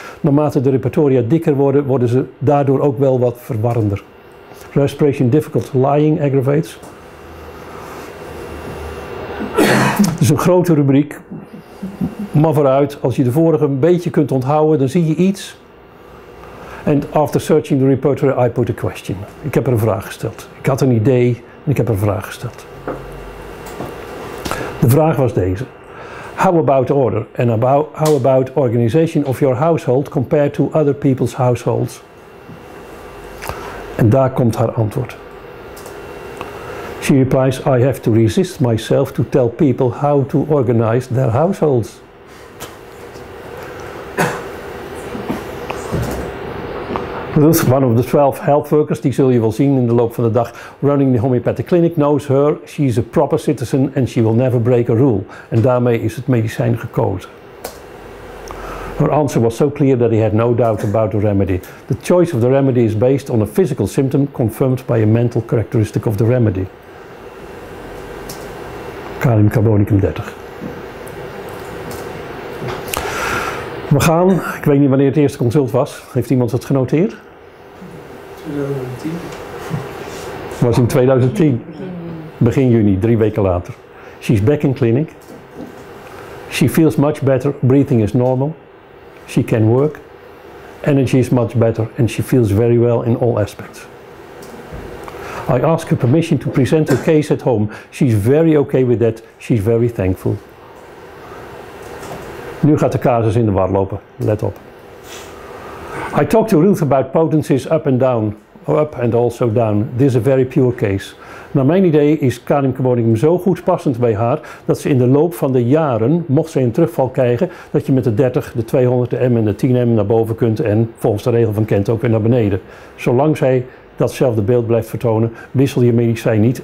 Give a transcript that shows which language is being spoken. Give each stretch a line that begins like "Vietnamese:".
Dutch: Naarmate de repertoria dikker worden, worden ze daardoor ook wel wat verwarrender.
English: Respiration difficult, lying aggravates.
Dutch: Het is een grote rubriek, maar vooruit, als je de vorige een beetje kunt onthouden, dan zie je iets.
English: And after searching the repertory, I put a question.
Dutch: Ik heb er een vraag gesteld. Ik had een idee en ik heb er een vraag gesteld. De vraag was deze.
English: How about order and how about organization of your household compared to other people's households?
Dutch: En daar komt haar antwoord.
English: She replies, I have to resist myself to tell people how to organize their households. Ruth, one of the 12 health workers,
Dutch: die zul je wel zien in de loop van de dag,
English: running the homeopathic clinic, knows her, she is a proper citizen and she will never break a rule.
Dutch: En daarmee is het medicijn gekozen.
English: Her answer was so clear that he had no doubt about the remedy. The choice of the remedy is based on a physical symptom confirmed by a mental characteristic of the remedy.
Dutch: Kalium carbonicum 30. We gaan, ik weet niet wanneer het eerste consult was. Heeft iemand dat genoteerd? 2010. Het was in 2010. Begin juni, 3 weken later.
English: She's back in clinic. She feels much better. Breathing is normal. She can work. Energy is much better. And she feels very well in all aspects. I ask her permission to present her case at home. She's very okay with that. She's very thankful.
Dutch: Nu gaat de casus in de war lopen. Let op.
English: I talked to Ruth about potencies up and down. Up and also down. This is a very pure case.
Dutch: Naar mijn idee is kalium carbonicum zo goed passend bij haar dat ze in de loop van de jaren, mocht ze een terugval krijgen, dat je met de 30, de 200, de M en de 10 M naar boven kunt en volgens de regel van Kent ook weer naar beneden. Zolang zij datzelfde beeld blijft vertonen, wissel je medicijn niet.